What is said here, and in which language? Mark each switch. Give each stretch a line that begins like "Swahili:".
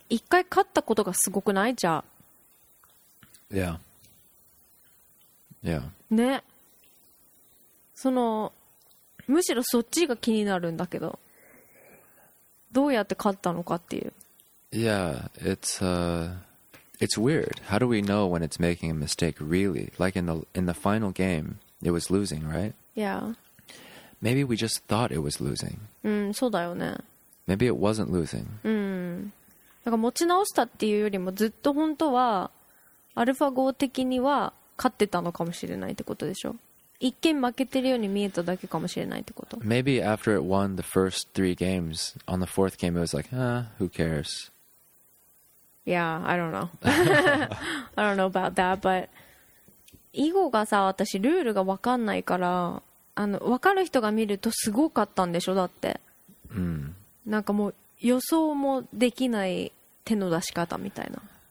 Japanese: 一回勝ったことがすごくない？じゃあ
English: Yeah. Yeah.
Japanese: ね、そのむしろそっちが気になるんだけど、どうやって勝ったのかっていう。
English: Yeah, it's weird. How do we know when it's making a mistake really? Like in the final game, it was losing, right? Yeah. Maybe we just thought it was losing.
Japanese: そうだよね。
English: Maybe it wasn't losing.
Japanese: なんか持ち直したっていうよりも、ずっと本当はアルファ号的には勝ってたのかもしれないってことでしょ。一見負けてるように見えただけかもしれないってこと。
English: Maybe after it won the first three games, on the fourth game it was like, who cares? Yeah, I don't know. I don't know about that, but
Japanese: 囲碁がさ、私ルールが分かんないから、あの、分かる人が見るとすごかったんでしょ、だって、なんかもう予想もできない手の出し方みたいな。